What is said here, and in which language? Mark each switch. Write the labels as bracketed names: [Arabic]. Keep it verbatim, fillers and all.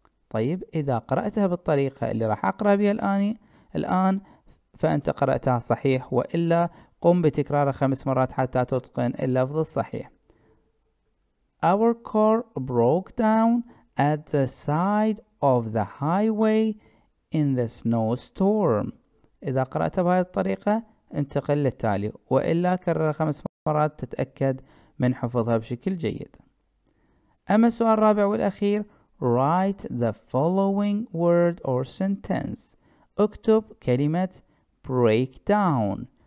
[Arabic] طيب، إذا قرأتها بالطريقة اللي راح أقرأ بها الآن الآن فأنت قرأتها صحيح، وإلا قم بتكرارها خمس مرات حتى تتقن اللفظ الصحيح. [English] Our car broke down at the side of the highway in the snowstorm. [Arabic] إذا قرأتها بهذه الطريقة انتقل للتالي، وإلا كرر خمس مرات تتأكد من حفظها بشكل جيد. أما السؤال الرابع والأخير: [English] write the following word or sentence. [Arabic] اكتب كلمة break down.